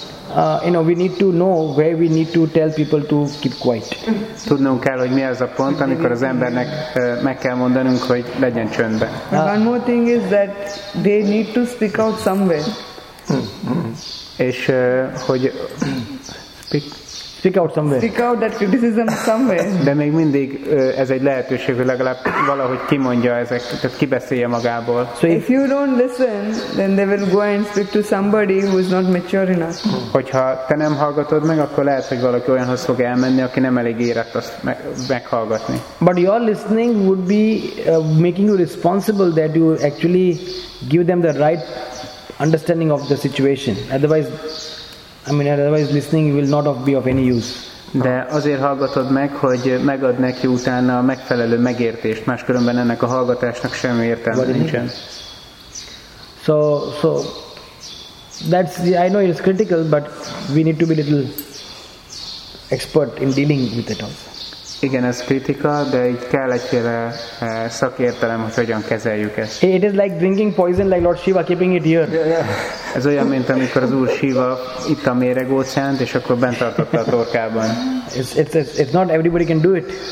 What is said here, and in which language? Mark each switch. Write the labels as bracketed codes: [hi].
[en] Well, we need to know where we need to tell people to keep quiet. [hu] Tudnunk kell, hogy mi az a pont, amikor az embernek meg kell mondanunk, hogy legyen csöndben. [en] One more thing is that they need to speak out somewhere. [hu] És hogy speak [en] Stick out somewhere. Stick out that criticism somewhere. [hu] De még mindig ez egy lehetőség, hogy legalább valahogy kimondja ezeket, tehát kibeszélje magából. [en] So if you don't listen, then they will go and speak to somebody who is not mature enough. [hu] Hogyha te nem hallgatod meg, akkor lehet, hogy valaki olyanhoz fog elmenni, aki nem elég érett azt meghallgatni. [en] But your listening would be making you responsible that you actually give them the right understanding of the situation. Otherwise, I mean, otherwise listening will not be of any use. [hu] De azért hallgatod meg, hogy megad neki utána a megfelelő megértést. Máskülönben ennek a hallgatásnak semmi értelme nincsen. [en] So that's, I know it's critical, but we need to be little expert in dealing with it also. [hu] Igen, ez kritika, de így kell egyféle szakértelem, hogy hogyan kezeljük ezt. [en] Hey, it is like drinking poison, like Lord Shiva keeping it here. Yeah, yeah. [hu] Ez olyan, mint amikor az Úr Shiva itt a méregóceánt, és akkor bent tartotta a torkában. [en] It's not everybody can do it.